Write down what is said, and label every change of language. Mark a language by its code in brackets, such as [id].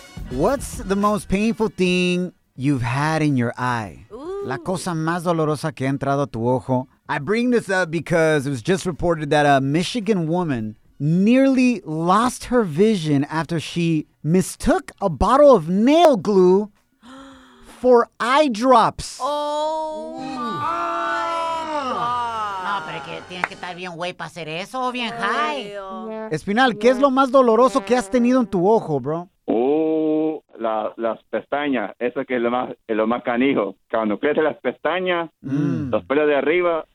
[en] What's the most painful thing you've had in your eye? Ooh. [es] La cosa más dolorosa que ha entrado a tu ojo. [en] I bring this up because it was just reported that a Michigan woman nearly lost her vision after she mistook a bottle of nail glue for eye drops. Oh, my God. [es] No, pero que tienes que estar bien güey para hacer eso, bien high. Espinal, ¿qué es lo más doloroso que has tenido en tu ojo, bro? Las pestañas, eso que es lo más canijo. Cuando crecen las pestañas, los pelos de arriba.